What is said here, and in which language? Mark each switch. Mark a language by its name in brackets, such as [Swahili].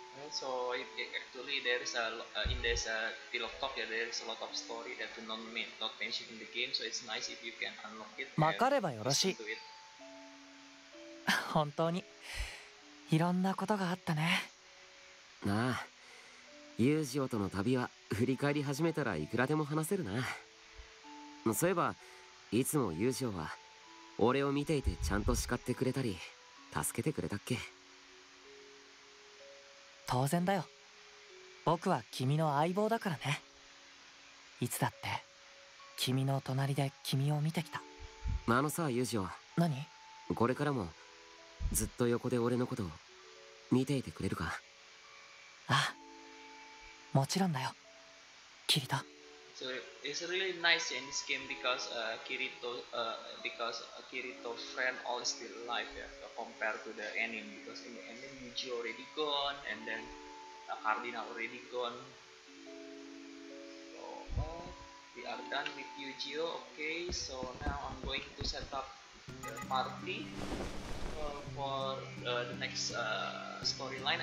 [English] So, actually, there is a in this philosophy, there is a lot of story that do not mean not mentioned in the game. So it's nice if you can unlock it. [Japanese] 分かればよろしい。本当に、いろんなことがあったね。なあ、ユージオとの旅は振り返り始めたらいくらでも話せるな。そういえばいつもユージオは俺を見ていてちゃんと叱ってくれたり助けてくれたっけ。当然だよ、僕は君の相棒だからね。いつだって君の隣で君を見てきた。あのさユージオ。何？これからもずっと横で俺のことを見ていてくれるか。ああ、もちろんだよキリト。 [English] So it's really nice in this game because Kirito's friend all still alive, yeah, compared to the ending, because in the ending Yuji already gone and then Cardinal already gone. So we are done with Yuji. Okay, so now I'm going to set up the party for the next storyline.